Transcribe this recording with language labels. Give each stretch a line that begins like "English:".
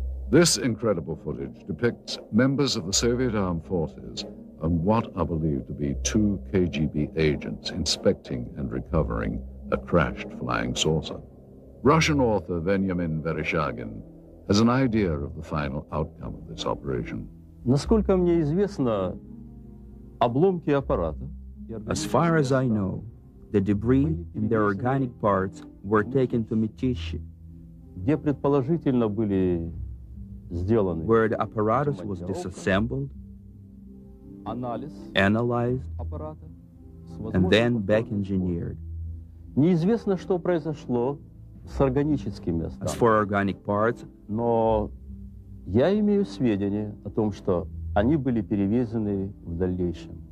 English: This incredible footage depicts members of the Soviet Armed Forces and what are believed to be two KGB agents inspecting and recovering a crashed flying saucer. Russian author Veniamin Vereshchagin has an idea of the final outcome of this operation.
Russian: Насколько мне известно, обломки аппарата.
English: As far as I know, the debris and their organic parts were taken to Mytishchi, where the apparatus was disassembled, analyzed, and then back engineered.
Russian: Неизвестно, что произошло с органическими местами.
English: As for organic parts,
Russian: но я имею сведения о том, что они были перевезены в дальнейшем.